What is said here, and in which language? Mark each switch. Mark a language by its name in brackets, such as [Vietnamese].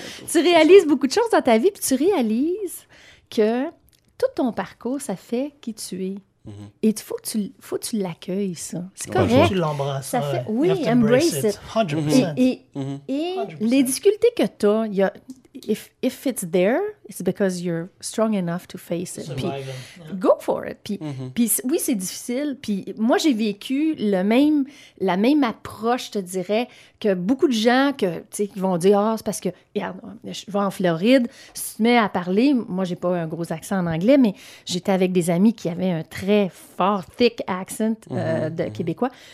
[French] Tu réalises beaucoup de choses dans ta vie, puis tu réalises que tout ton parcours, ça fait qui tu es. Mm-hmm. Et il faut que tu l'accueilles, ça. C'est correct. Tu l'embrasses. Ça fait, oui, [English] embrace it. [French] 100%. Et les difficultés que tu as, il y a... [English] If it's there, it's because you're strong enough to face it. [French] Puis, [English] go for it. [French] Puis, puis oui, c'est difficile. Puis moi, j'ai vécu la même approche, je te dirais, que beaucoup de gens que tu sais qui vont dire, oh, c'est parce que regarde, je vais en Floride, si tu te mets à parler, moi, j'ai pas un gros accent en anglais, mais j'étais avec des amis qui avaient un très fort [English] thick accent [French] de québécois.